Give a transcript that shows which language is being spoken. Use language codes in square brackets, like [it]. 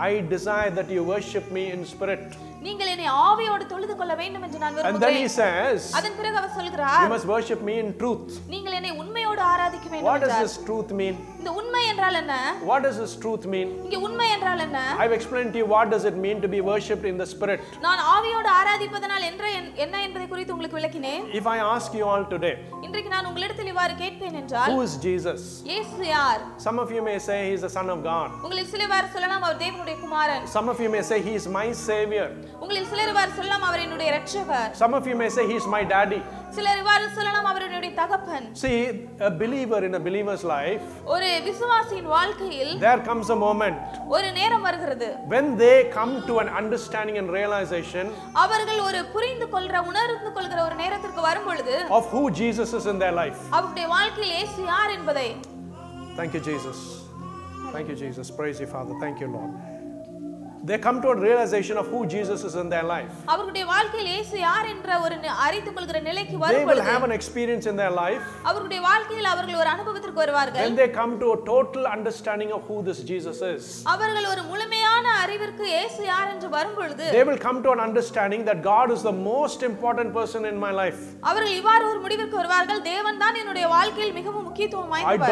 [en] I desire that you worship me in spirit. [ta] நீங்கள் என்னை ஆவியோடு தொழுது கொள்ள வேண்டும் என்று நான் விரும்புகிறேன். [en] And then he says, [ta] அதன் பிறகு அவர் சொல்கிறார், [en] You must worship me in truth. [ta] நீங்கள் என்னை உண்மையோடு ஆராதிக்க வேண்டும் என்றார். [en] What does this truth mean? [ta] இந்த உண்மை என்றால் என்ன? [en] What does this truth mean? [ta] இங்க உண்மை என்றால் என்ன? [en] I've explained to you what does it mean to be worshiped in the spirit. [ta] நான் ஆவியோடு ஆராதிப்பதனால் என்ன என்பதை குறித்து உங்களுக்கு விளக்கினேன். [en] If I ask you all today, [ta] இன்றைக்கு நான் உங்களிடத்தில் இவ்வாறு கேட்பேன் என்றால், [en] Who is Jesus? [ta] இயேசு யார்? [en] Some of you may say he is the son of God. [ta] உங்களில் சிலர் சொல்லலாம் அவர் தேவனுடைய குமாரன். [en] Some of you may say he is my savior. [ta] உங்களில் சிலர் இவ்வாறு சொல்லலாம் அவர் என்னுடைய இரட்சகர். [en] Some of you may say he is my daddy. [ta] சிலர் இவ்வாறு சொல்லலாம் அவர் என்னுடைய தகப்பன். [en] See, a believer in a believer's life, [ta] ஒரு விசுவாசியின் வாழ்க்கையில், [en] there comes a moment, [ta] ஒரு நேரம் வருகிறது, [en] when they come to an understanding and realization, [ta] அவர்கள் ஒரு புரிந்துகொள்ற உணர்ந்து கொள்ற ஒரு நேரத்துக்கு வரும்பொழுது, [en] of who Jesus is in their life, [ta] அவருடைய வாழ்க்கையில் இயேசு யார் என்பதை. [en] Thank you Jesus. Thank you Jesus. Praise you Father. Thank you Lord. They come to a realization of who Jesus is in their life. [ta] அவருடைய வாழ்க்கையில் இயேசு யார் என்ற ஒரு அறிந்து கொள்கிற நிலைக்கு வரும்பொழுது, [en] they will have an experience in their life. [ta] அவருடைய வாழ்க்கையில் அவர்கள் ஒரு அனுபவத்திற்கு வருவார்கள். [en] When they come to a total understanding of who this Jesus is. [ta] அவர்கள் ஒரு முழுமையான அறிவிற்கு இயேசு யார் என்று வரும்பொழுது, [en] they will come to an understanding that God is the most important person in my life. [ta] அவர்கள் இவ்வாறு ஒரு முடிவுக்கு வருவார்கள், தேவன் தான் என்னுடைய வாழ்க்கையில் மிகவும் முக்கியத்துவம் வாய்ந்தவர்.